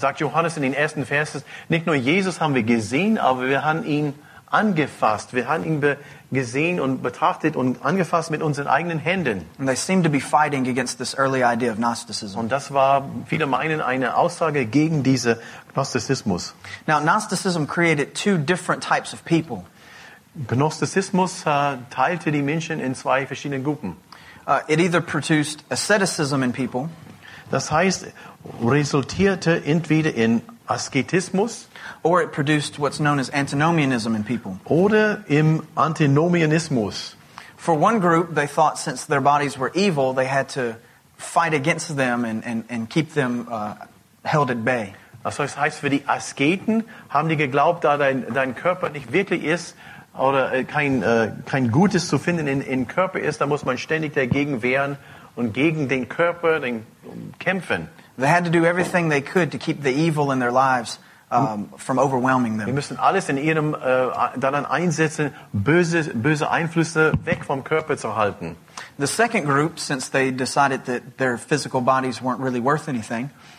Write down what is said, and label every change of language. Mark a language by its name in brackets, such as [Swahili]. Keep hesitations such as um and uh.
[German] Sagt Johannes in den ersten Versen, nicht nur Jesus haben wir gesehen, aber wir haben ihn angefasst. Wir haben ihn gesehen und betrachtet und angefasst mit unseren eigenen Händen. [English] And they seem to be fighting against this early idea of Gnosticism. [German] Und das war, viele meinen, eine Aussage gegen diese Gnosticismus. [English] Now, Gnosticism created two different types of people. [German] Gnosticismus uh, teilte die Menschen in zwei verschiedene Gruppen. [English] Uh, it either produced asceticism in people. [German] Das heißt, resultierte entweder in Asketismus [English] or it produced what's known as antinomianism in people. [German] Oder im Antinomianismus. [English] For one group, they thought since their bodies were evil, they had to fight against them and, and, and keep them uh, held at bay. [German] Also das heißt, für die Asketen haben die geglaubt, da dein, dein Körper nicht wirklich ist oder kein, kein Gutes zu finden in, in Körper ist, da muss man ständig dagegen wehren und gegen den Körper den, um, kämpfen. [English] They had to do everything they could to keep the evil in their lives um, from overwhelming them. [German] Sie müssen alles in ihrem äh, uh, daran einsetzen, böse böse Einflüsse weg vom Körper zu halten. [English] The second group, since they decided that their physical bodies weren't really worth anything.